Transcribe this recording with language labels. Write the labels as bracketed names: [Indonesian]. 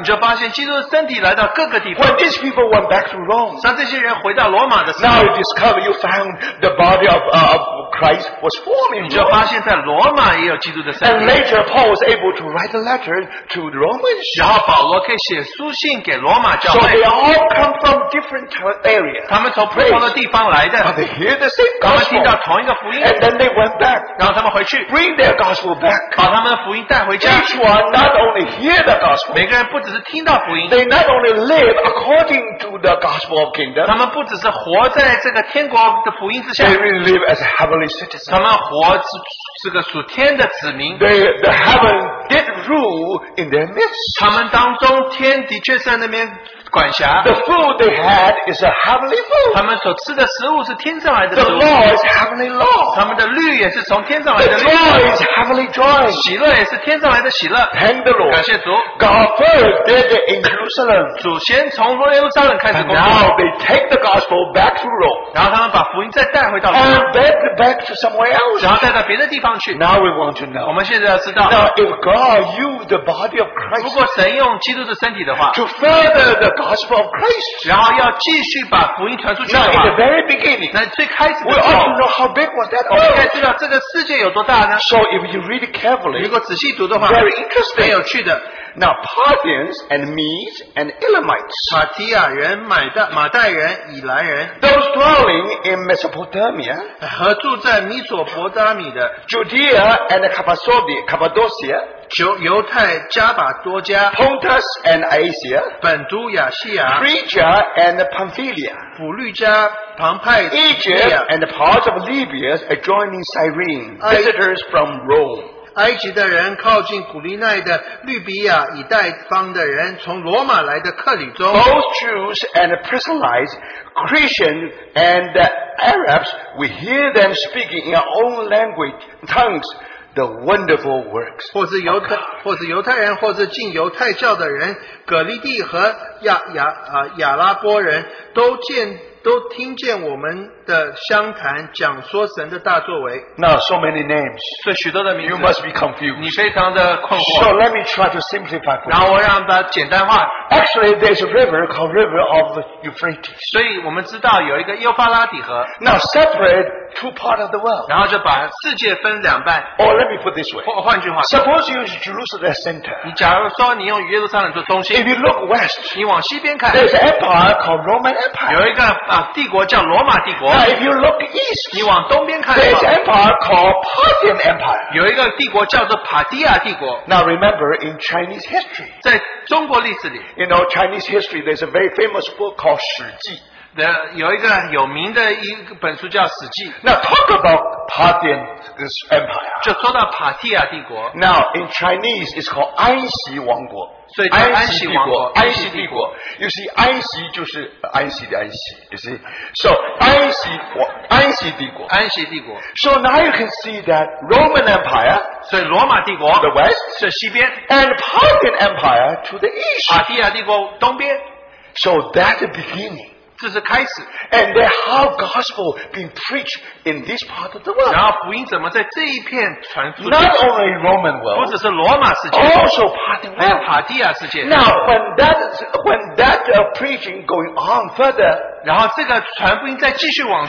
[Chinese] 你就发现基督的身体来到各个地方 [English] when these people went back to Rome, [Chinese] 像这些人回到罗马的时候 [English] now you discover you found the body of Christ was forming Rome. And later Paul was able to write a letter to the Romans. So they all come from different areas. [Chinese] 他们从不同的地方来的。 [English] But they hear the same gospel. [Chinese] 他们听到同一个福音。 [English] And then they went back. [Chinese] 然后他们回去。 [English] Bring their gospel back. [Chinese] 把他们的福音带回家。 [English] Each one not only hear the gospel. [Chinese] 每个人不只是听到福音。 [English] They not only live according to the gospel of kingdom. [Chinese] 他们不只是活在这个天国的福音之下。 [English] They really live as a heavenly citizen. [Chinese] 他们活是个属天的子民 [English] the heaven did rule in their midst [Chinese] 他们当中天的确在那边管辖 [English] the food they had is a heavenly food [Chinese] 他们所吃的食物是天上来的食物 [English] the law is heavenly law [Chinese] 他们的律也是从天上来的律 [English] the joy is heavenly joy [Chinese] 喜乐也是天上来的喜乐 [English] thank the Lord [Chinese] 感谢主 [English] God first did it in Jerusalem [Chinese] 祖先从耶路撒冷开始工作 [English] and now they take the gospel back to Rome [Chinese] 然后他们把福音再带回到 [English] and back to somewhere else [Chinese] 然后带到别的地方去 [English] now we want to know [Chinese] 我们现在要知道 [English] now if God used the body of Christ [Chinese] 如果神用基督的身体的话 [English] to further the gospel of Christ [Chinese] 然后要继续把福音传出去的话 [English] now in the very beginning [Chinese] 那最开始的时候 [English] we ought to know how big was that world [Chinese] 我们该知道这个世界有多大呢 [English] so if you read it carefully [Chinese] 如果仔细读的话 [English] very interesting [Chinese] 很有趣的 [English] now Parthians and Medes and Elamites [Chinese] 帕提亚人马代人以莱人 [English] those dwelling in Mesopotamia [Chinese] 和住在米索伯达米的 [English] Judea and Cappadocia [Chinese] 犹太加巴多加 [English] Pontus and Asia [Chinese] 本都亚细亚 [English] Phrygia and Pamphylia [Chinese] 普律加庞派 [English] Egypt and parts of Libya adjoining Cyrene visitors from Rome [Chinese] 埃及的人靠近古利奈的律比亚以代方的人从罗马来的克里中 [English] Both Jews and Priscillites Christian and Arabs we hear them speaking in our own language tongues The wonderful works. [Chinese] 或是犹太人，或是进犹太教的人，葛利地和亚拉伯人都听见我们的相谈，讲说神的大作为。 [English] Now, so many names. [Chinese] 所以许多的名字。 [English] You must be confused. [Chinese] 你非常的困惑。 [English] So let me try to simplify. [Chinese] 然后我让它简单化。 [English] Actually, there's a river called River of Euphrates. [Chinese] 所以我们知道有一个幼发拉底河。 [English] Now separate. Two parts of the world. [Chinese] 然后就把世界分两半。 [English] Or let me put this way. [Chinese] 换句话 [English] Suppose you use Jerusalem as center. [Chinese] 你假如说你用耶路撒冷做中心。 [English] If you look west. [Chinese] 你往西边看。 [English] There's an empire called Roman Empire. [Chinese] 有一个帝国叫罗马帝国。 [English] Now if you look east. [Chinese] 你往东边看。 [English] There's an empire called Parthian Empire. [Chinese] 有一个帝国叫做帕提亚帝国。 [English] Now remember in Chinese history. [Chinese] 在中国历史里。 [English] You know Chinese history, there's a very famous book called 史记。 [Chinese] 有一个有名的一本书叫《史记》。 [English] Now talk about Parthian this empire. [Chinese] 就说到帕提亚帝国。 [English] Now in Chinese, it's called [Chinese] 安息王国。所以叫安息王国。安息帝国。 [English] You see, [Chinese] 安息就是安息的安息。 [English] You see, so [Chinese] 安息安息帝国。安息帝国。 [English] So now you can see that Roman Empire. [Chinese] 所以罗马帝国。 [English] The west. [Chinese] 是西边。 [English] And Parthian Empire to the east. [Chinese] 帕提亚帝国东边。 [English] So that's the beginning. [Chinese] 这是开始 [English] and then how gospel been preached in this part of the world [Chinese] 然后福音怎么在这一片传出 [English] not only Roman world [Chinese] 不只是罗马世界 [English] also Parthian world [Chinese] 帕提亚世界 [English] now when that preaching going on further [Chinese] 然后这个传福音再继续往